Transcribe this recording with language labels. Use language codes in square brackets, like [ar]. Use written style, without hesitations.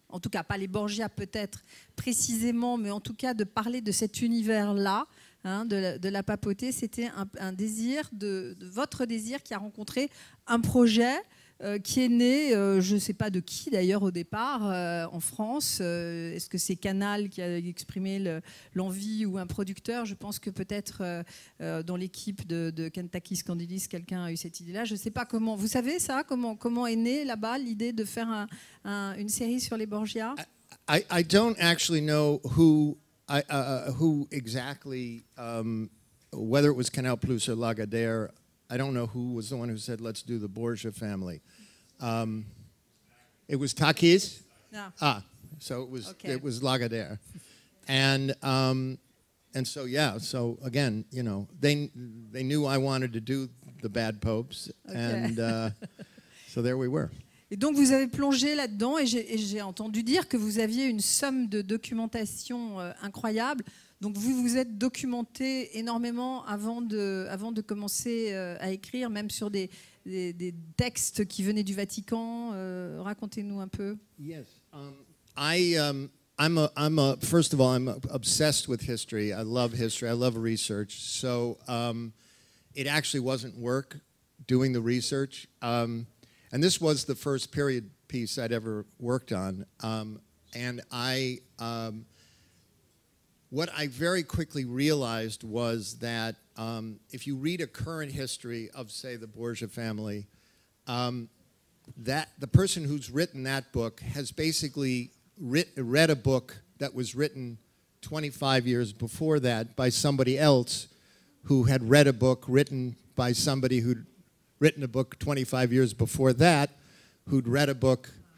[fr] En tout cas, pas les Borgia peut-être précisément, mais en tout cas de parler de cet univers-là, hein, de la papauté, c'était un désir, de votre désir qui a rencontré un projet qui est né, je ne sais pas de qui d'ailleurs au départ, en France. Est-ce que c'est Canal qui a exprimé l'envie ou un producteur? Je pense que peut-être dans l'équipe de Kentucky Scandalis, quelqu'un a eu cette idée-là. Je ne sais pas comment. Vous savez ça? Comment est née là-bas l'idée de faire une série sur les Borgia? [en] I don't actually know who exactly, whether it was Canal Plus or Lagardère. I don't know who was the one who said, let's do the Borgia family. It was Takis? No. Ah, so it was okay. It was Lagardère. And so, yeah, so again, you know, they knew I wanted to do the bad popes. Okay. And so there we were. [fr] Et donc vous avez plongé là-dedans, et j'ai entendu dire que vous aviez une somme de documentation incroyable. Donc vous vous êtes documenté énormément avant de commencer à écrire, même sur des textes qui venaient du Vatican. Racontez-nous un peu. [en] Yes, I I'm a first of all, I'm obsessed with history. I love history. I love research. So it actually wasn't work doing the research. And this was the first period piece I'd ever worked on. What I very quickly realized was that if you read a current history of, say, the Borgia family, that the person who's written that book has basically read a book that was written 25 years before that by somebody else who had read a book written by somebody who'd written a book 25 years before that, who'd read a book,